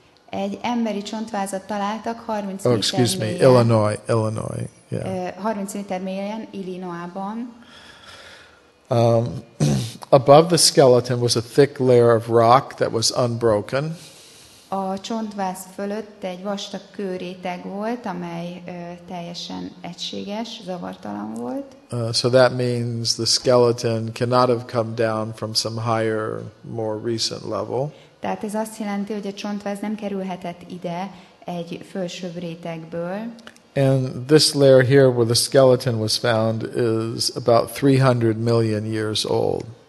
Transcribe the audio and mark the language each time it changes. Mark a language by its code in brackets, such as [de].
[hu] Egy emberi csontvázat találtak 30 méter. Illinois. Yeah. 30 méter mélyen, Illinois-ban. [en] Above the skeleton was a thick layer of rock that was unbroken. [hu] A csontváz fölött egy vastag kőréteg volt, amely teljesen egységes, zavartalan volt. [en] So that means the skeleton cannot have come down from some higher, more recent level. [hu] Tehát ez azt jelenti, hogy a csontváz nem kerülhetett ide egy felsőbb rétegből. [en] And this layer here where the skeleton was found is about 300 million years old.